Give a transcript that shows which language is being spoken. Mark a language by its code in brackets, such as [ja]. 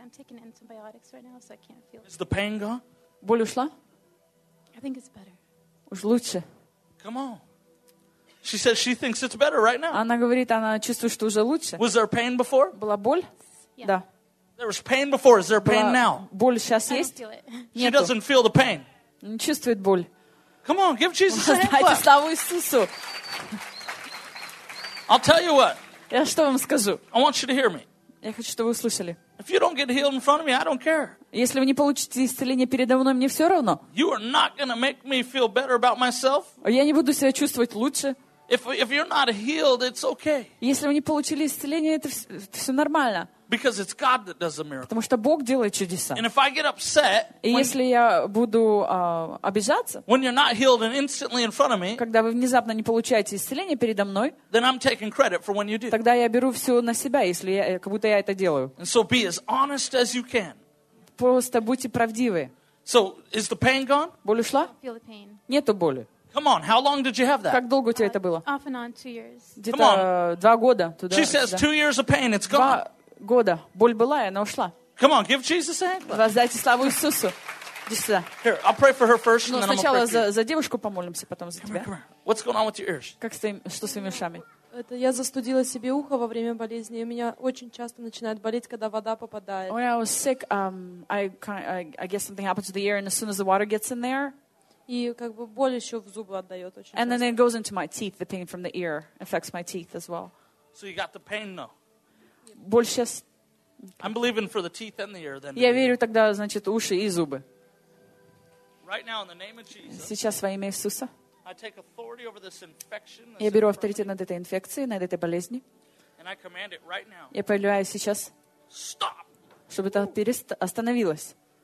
[en] I'm taking antibiotics right now, so I can't feel it. Is the pain gone? [ru] Боль ушла? [en] I think it's better. [ru] Уж лучше. [en] Come on. She says she thinks it's better right now. [ru] Она говорит, она чувствует, что уже лучше. [en] Was there pain before? [ru] Была боль? [en] Yeah. [ru] Да. [en] There was pain before. Is there pain now? [ru] Боль сейчас есть? [en] I don't feel it. She doesn't feel the pain. [ru] Не чувствует боль. [en] Come on, give Jesus a hand clap. [ru] Славу Иисусу. [en] I'll tell you what. [ru] Я что вам скажу? [en] I want you to hear me. [ru] Я хочу, чтобы вы услышали. [en] If you don't get healed in front of me, I don't care. [ru] Если вы не получите исцеление передо мной, мне все равно. [en] You are not going to make me feel better about myself. [ru] Я не буду себя чувствовать лучше. [en] If you're not healed, it's okay. [ru] Если вы не получили исцеление, это все нормально. [en] Because it's God that does the miracle. [ru] Потому что Бог делает чудеса. [en] And if I get upset, [ru] и если я буду обижаться, [en] when you're not healed and instantly in front of me, [ru] когда вы внезапно не получаете исцеление передо мной, [en] then I'm taking credit for when you do. [ru] Тогда я беру все на себя, если я, как будто я это делаю. [en] And so be as honest as you can. [ru] Просто будьте правдивы. [en] So is the pain gone? [ru] Боль ушла? [en] Feel the pain. [ru] Нету боли. [en] Come on, how long did you have that? [ru] Как долго у тебя это было? [en] Off and on, 2 years. [ru] Где-то 2 года туда. [en] She says 2 years of pain, it's gone. [ru] 2 года. Боль была, и она ушла. [en] Come on, give Jesus a hand. [ru] Воздайте славу Иисусу. Иди сюда. [en] Here, I'll pray for her first, and then I'll pray for you. [ru] Но сначала за девушку помолимся, потом за тебя. [en] Come on. What's going on with your ears? [ru] Как с твоим, что с твоими ушами? Это я застудила себе ухо во время болезни. У меня очень часто начинает болеть, когда вода попадает. [en] When I was sick, I guess something happened to the ear, and as soon as the water gets in there. [ru] И как бы боль еще в зубы отдает очень. [en] And then it goes into my teeth. The pain from the ear affects my teeth as well. So you got the pain now. [ru] Боль сейчас. [en] I'm believing for the teeth and the ear. Then. [ru] Я верю тогда, значит, уши и зубы. [en] Right now, in the name of Jesus. [ru] Сейчас во имя Иисуса. [en] I take authority over this infection. [ru] Я беру авторитет над этой инфекцией, над этой болезнью. [en] And I command it right now. [ru] Я повелеваю сейчас. [en] Stop. [ru] Чтобы это остановилось.